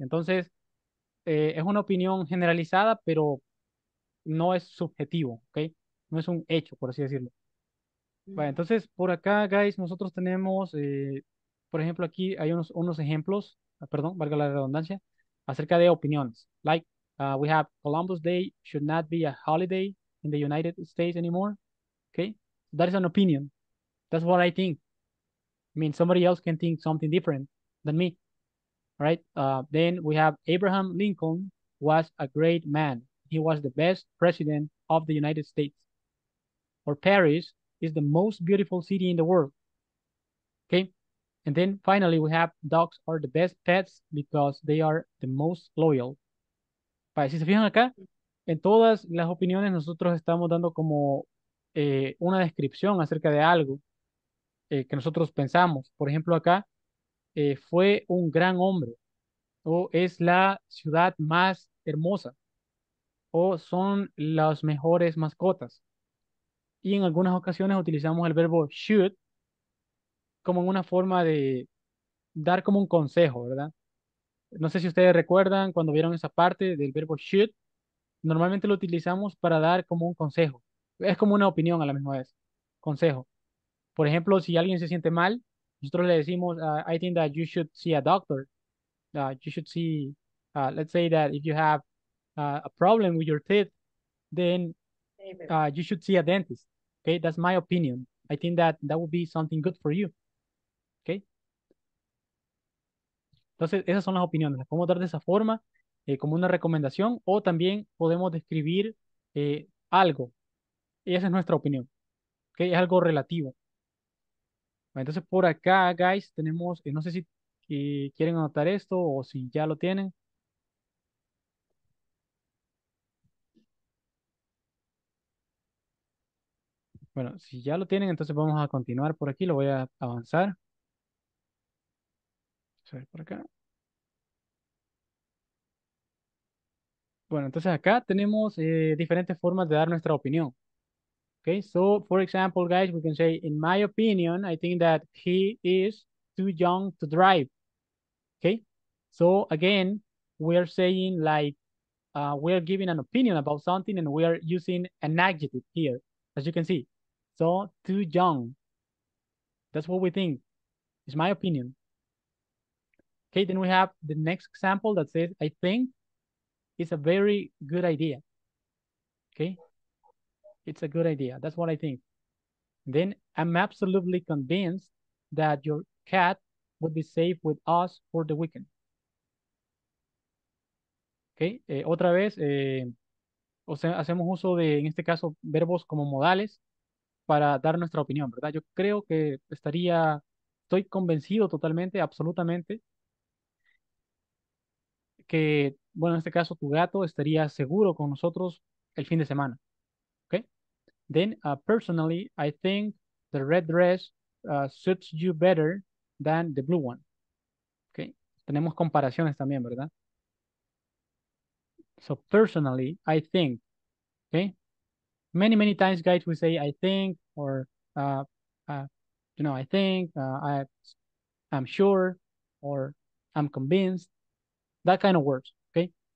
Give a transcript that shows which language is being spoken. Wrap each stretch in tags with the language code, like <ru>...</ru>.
<es>Entonces, es una opinión generalizada, pero no es subjetivo, ¿ok? No es un hecho, por así decirlo. Bueno, entonces, por acá, guys, nosotros tenemos... por ejemplo, aquí hay unos ejemplos, perdón, valga la redundancia, acerca de opiniones.</es> <en>Like, we have Columbus Day should not be a holiday in the United States anymore. Okay, that is an opinion. That's what I think. I mean, somebody else can think something different than me. All right, then we have Abraham Lincoln was a great man. He was the best president of the United States. Or Paris is the most beautiful city in the world. Okay. And then finally, we have dogs are the best pets because they are the most loyal.</en> <es>Pues, si se fijan acá, en todas las opiniones nosotros estamos dando como una descripción acerca de algo. que nosotros pensamos. Por ejemplo, acá, fue un gran hombre, o es la ciudad más hermosa, o son las mejores mascotas. Y en algunas ocasiones utilizamos el verbo should como una forma de dar como un consejo, ¿verdad? No sé si ustedes recuerdan cuando vieron esa parte del verbo should, normalmente lo utilizamos para dar como un consejo. Es como una opinión a la misma vez, consejo. Por ejemplo, si alguien se siente mal, nosotros le decimos,</es> <en>I think that you should see a doctor. You should see, let's say that if you have a problem with your teeth, then you should see a dentist. Okay, that's my opinion. I think that that would be something good for you. Okay.</en> <es>Entonces, esas son las opiniones. Las podemos dar de esa forma, como una recomendación, o también podemos describir algo. Y esa es nuestra opinión. Okay, es algo relativo. Entonces, por acá, guys, tenemos, no sé si quieren anotar esto o si ya lo tienen. Bueno, si ya lo tienen, entonces vamos a continuar por aquí. Lo voy a avanzar. Vamos a ver por acá. Bueno, entonces acá tenemos diferentes formas de dar nuestra opinión.</es> <en>Okay, so for example, guys, we can say, in my opinion, I think that he is too young to drive. Okay, so again, we are saying like, we are giving an opinion about something and we are using an adjective here, as you can see. So too young, that's what we think, it's my opinion. Okay, then we have the next example that says, I think it's a very good idea. Okay. It's a good idea. That's what I think. Then I'm absolutely convinced that your cat would be safe with us for the weekend. Okay.</en> <es>Otra vez, o sea, hacemos uso de, en este caso, verbos como modales para dar nuestra opinión, ¿verdad? Yo creo que estaría, estoy convencido totalmente, absolutamente, que, bueno, en este caso, tu gato estaría seguro con nosotros el fin de semana.</es> <en>Then, personally, I think the red dress suits you better than the blue one.</en> <es>Okay. Tenemos comparaciones también, ¿verdad?</es> <en>So, personally, I think. Okay. Many, many times, guys, we say, I think, or, you know, I think, I'm sure, or I'm convinced. That kind of words. Okay.</en>